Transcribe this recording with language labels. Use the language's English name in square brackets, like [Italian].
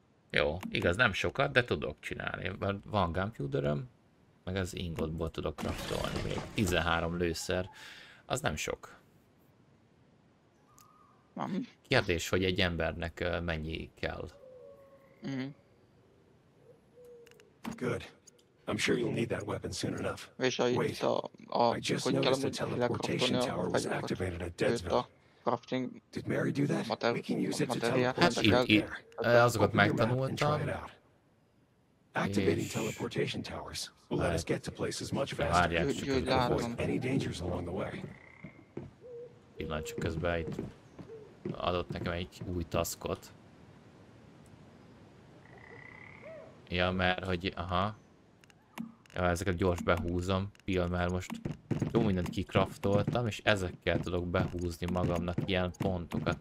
[Hungarian] jó, igaz, nem sokat, de tudok csinálni. Mert van gunpowder-öm. Meg az ingotból tudok craftolni még. 13 lőszer. Az nem sok. Nem. Kérdés, hogy egy embernek mennyi kell. [English] Good. I'm sure you'll need that weapon soon enough. [Hungarian] És ha itt a... [English] I just noticed the teleportation tower was activated at Deadsville. Crafting... did Mary do that? We can use it to teleport. [Hungarian] Hát itt azokat megtanultam. [English] Activating teleportation towers will let us get to places much faster. [Hungarian] Várják, csak közben látom. [English] Any dangers along the way. [Hungarian] Pillanat, csak közben itt adott nekem egy új taskot. Ja, mert hogy, aha. Ja, ezeket gyors behúzom, pill, mert most jó mindent kikraftoltam, és ezekkel tudok behúzni magamnak ilyen pontokat.